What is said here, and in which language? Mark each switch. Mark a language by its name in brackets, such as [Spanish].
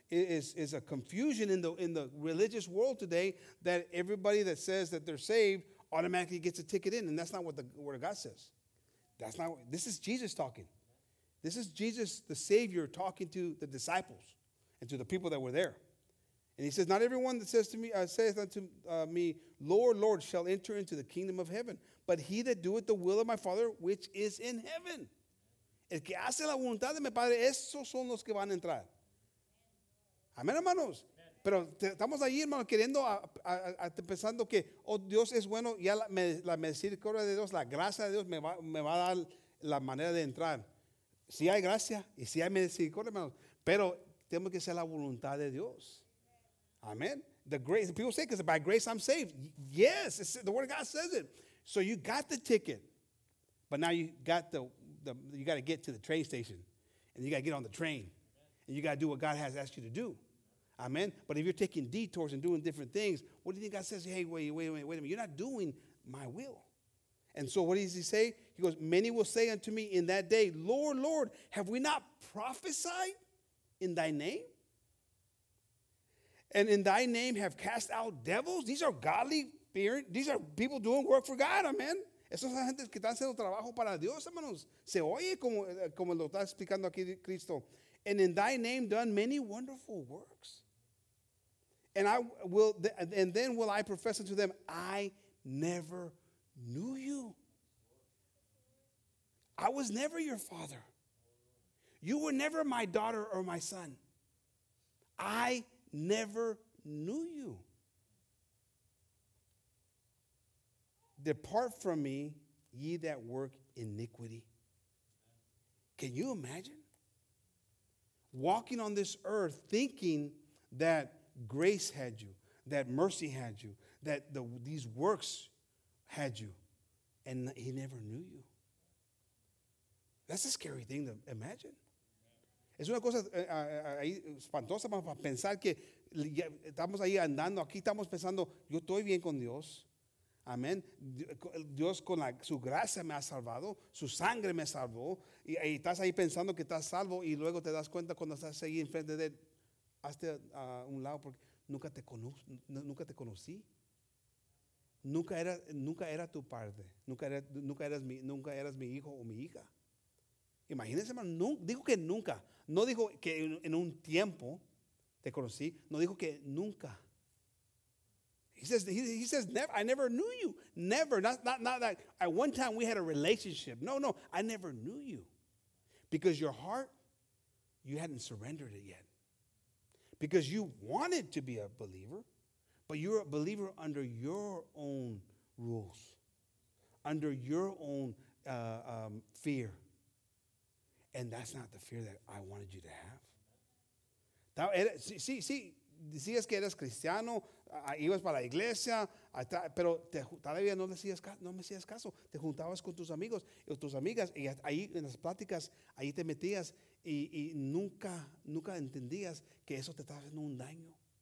[English] is a confusion in the religious world today that everybody that says that they're saved automatically gets a ticket in, and that's not what the Word of God says. That's not. This is Jesus talking. This is Jesus, the Savior, talking to the disciples and to the people that were there. And he says, not everyone that says to me, Lord, Lord, shall enter into the kingdom of heaven, but he that doeth the will of my Father, which is in heaven. [Spanish] El que hace la voluntad de mi Padre, esos son los que van a entrar. Amén, hermanos. Pero estamos ahí, hermanos, queriendo, pensando que, oh, Dios es bueno, ya la misericordia de Dios, la gracia de Dios me va a dar la manera de entrar. Sí hay gracia y sí hay misericordia, hermanos, pero tenemos que ser la voluntad de Dios. [English] Amen. The grace, people say, because by grace I'm saved. Yes, it's, the Word of God says it. So you got the ticket, but now you got you got to get to the train station, and you got to get on the train, and you got to do what God has asked you to do. Amen. But if you're taking detours and doing different things, what do you think God says? Hey, wait a minute. You're not doing my will. And so what does he say? He goes, many will say unto me in that day, Lord, Lord, have we not prophesied in thy name? And in thy name have cast out devils? These are godly fearing. These are people doing work for God, amen. [Spanish] Esos gente que están haciendo trabajo para Dios, hermanos. Se oye como lo está explicando aquí Cristo. [English] And in thy name done many wonderful works. And I will, and then will I profess unto them, I never knew you. I was never your father. You were never my daughter or my son. I never knew you. Depart from me, ye that work iniquity. Can you imagine? Walking on this earth thinking that grace had you, that mercy had you, that these works had you, and he never knew you. That's a scary thing to imagine. [Spanish] Es una cosa espantosa para pensar que estamos ahí andando, aquí estamos pensando, yo estoy bien con Dios. Amén. Dios con su gracia me ha salvado, su sangre me salvó, y estás ahí pensando que estás salvo, y luego te das cuenta cuando estás ahí enfrente de él, hazte a un lado porque nunca te conocí. Nunca era tu padre, nunca eras mi hijo o mi hija. Imagínense, hermano, no dijo que en un tiempo te conocí, no dijo que nunca. [English] He says, never, I never knew you. Never. Not that at one time we had a relationship. No, I never knew you. Because your heart, you hadn't surrendered it yet. Because you wanted to be a believer, but you're a believer under your own rules, under your own fear. And that's not the fear that I wanted you to have. [Spanish] See, decías que eras cristiano, ibas para la iglesia, pero todavía no me hacías caso. Te juntabas con tus amigos o tus amigas, y ahí en las pláticas, ahí te metías, y nunca entendías que eso te estaba haciendo un daño.